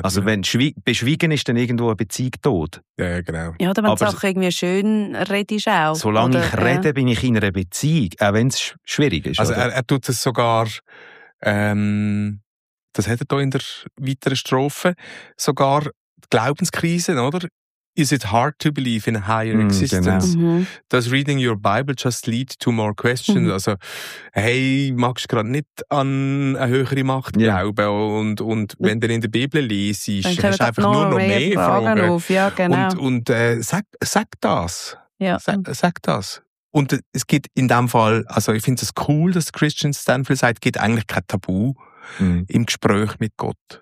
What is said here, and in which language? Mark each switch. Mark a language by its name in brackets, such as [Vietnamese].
[German] also, wenn beschwiegen ist, dann irgendwo eine Beziehung tot. Ja, genau. Ja, oder wenn du Sachen irgendwie schön redest auch. Solange oder, ich rede, bin ich in einer Beziehung, auch wenn es schwierig ist. Also, er tut es sogar, das hat er da in der weiteren Strophe, sogar Glaubenskrisen, oder? [English] Is it hard to believe in a higher existence? [German] Genau. Mm-hmm. [English] Does reading your Bible just lead to more questions? Mm-hmm. [German] Also, hey, magst du gerade nicht an eine höhere Macht glauben? Und wenn du in der Bibel liest, hast du einfach nur noch mehr Fragen. Auf. Ja, genau. Und sag das. Ja. Sag das. Und es gibt in dem Fall, also ich finde es cool, dass Christian Stanfield sagt, es gibt eigentlich kein Tabu im Gespräch mit Gott.